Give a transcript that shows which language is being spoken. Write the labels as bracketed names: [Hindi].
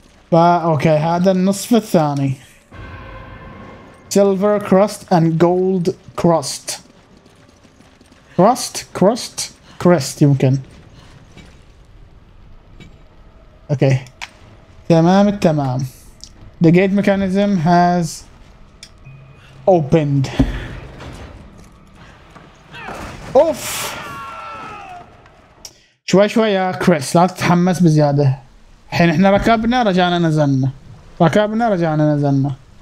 [Arabic] فا اوكي هذا النصف الثاني. [English] Silver crust and gold crust. [Arabic] كروست كروست كريست يمكن. اوكي تمام التمام. [English] The gate mechanism has opened. [Arabic] اوف شوي شوي يا كريس لا تتحمس بزيادة. الحين احنا ركبنا رجعنا نزلنا ركبنا رجعنا نزلنا.